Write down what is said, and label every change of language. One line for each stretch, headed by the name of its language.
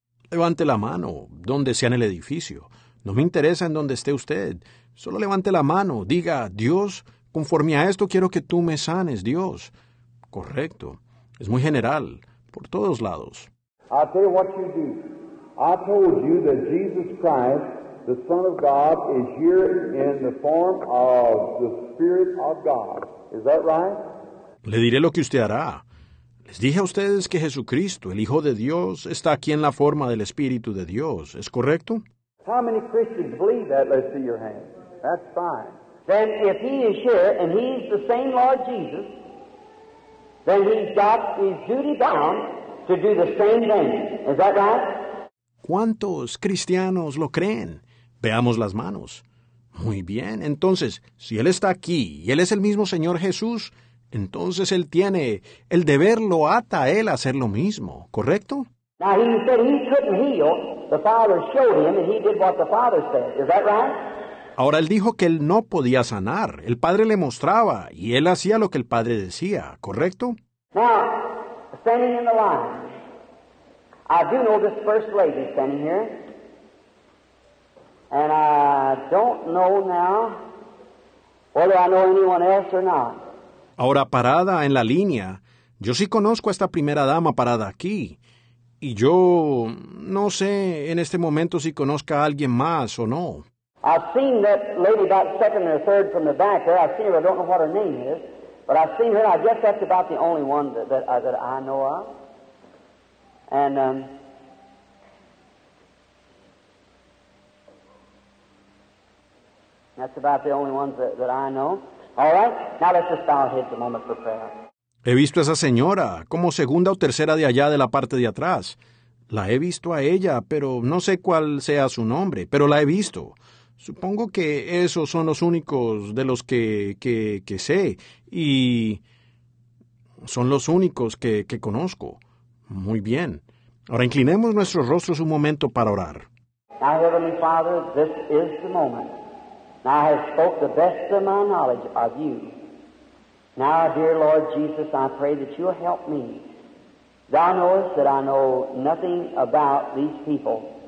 Spanish: Levante la mano, donde sea en el edificio. No me interesa en donde esté usted. Solo levante la mano. Diga, Dios, conforme a esto quiero que tú me sanes, Dios. Correcto. Es muy general, por todos lados.
English: I'll tell you what you do. I told you that Jesus Christ, the Son of God, is here in the form of the Spirit of God. Is that right?
Spanish: Le diré lo que usted hará. Les dije a ustedes que Jesucristo, el Hijo de Dios, está aquí en la forma del Espíritu de Dios. ¿Es correcto?
English: How many Christians believe that? Let's see your hand. That's fine. Then if he is here and he's the same Lord Jesus, then he's got his duty bound to do the same thing. Is that right?
Spanish: ¿Cuántos cristianos lo creen? Veamos las manos. Muy bien. Entonces, si él está aquí y él es el mismo Señor Jesús, entonces él tiene el deber, lo ata a él a hacer lo mismo, ¿correcto?
English: Now he said he couldn't heal. The Father showed him and he did what the Father said. Is that right?
Spanish: Ahora él dijo que él no podía sanar. El Padre le mostraba y él hacía lo que el Padre decía, ¿correcto?
English: Now, standing in the line, I do know this first lady standing here. And I don't know now whether I know anyone else or not.
Spanish: Ahora, parada en la línea, yo sí conozco a esta primera dama parada aquí. Y yo no sé en este momento si conozca a alguien más o no.
English: I've seen that lady about second or third from the back there. I've seen her. I don't know what her name is. But I've seen her. I guess that's about the only one that I know of. And, that's about the only ones that I know. All right, now let's just bow our heads a moment for prayer.
Spanish: He visto a esa señora como segunda o tercera de allá de la parte de atrás. La he visto a ella, pero no sé cuál sea su nombre, pero la he visto. Supongo que esos son los únicos de los que sé y son los únicos que conozco. Muy bien. Ahora inclinemos nuestros rostros un momento para orar.
English: Now, Heavenly Father, this is the moment. Now I have spoke the best of my knowledge of you. Now, dear Lord Jesus, I pray that you'll help me. Thou knowest that I know nothing about these people.